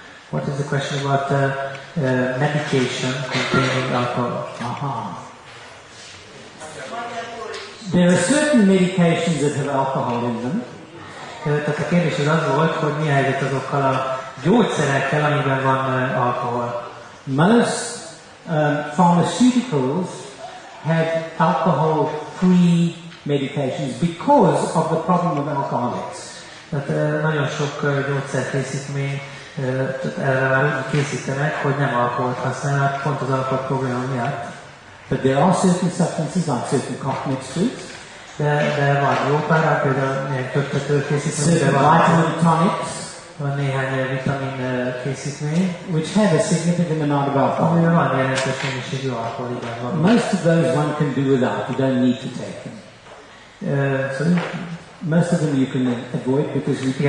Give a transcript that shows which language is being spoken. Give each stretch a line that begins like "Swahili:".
English: What is the question about the medication containing alcohol? There are certain medications that have alcohol in them.
Hungarian: Tehát a kérdés az az volt, hogy mi a helyzet azokkal a gyógyszerekkel, amiben van alkohol.
English: Most pharmaceuticals have alcohol-free medications because of the problem of alcoholics.
Hungarian: Tehát nagyon sok gyógyszer készítmény, erre már készítenek, hogy nem alkoholt használnak, pont az alkohol probléma miatt.
English: But there are certain substances like certain cough mixtures.
Hungarian: De van jó pár, például milyen töltető készítmény, de van vitamin tonics. Van néhány vitamin készítmény.
English: Which have a significant amount of alcohol.
Hungarian: Amivel van jelentős mennyiségű alkohol, igen.
English: Most of those one can do without, you don't need to take them. Most of them you can avoid because you can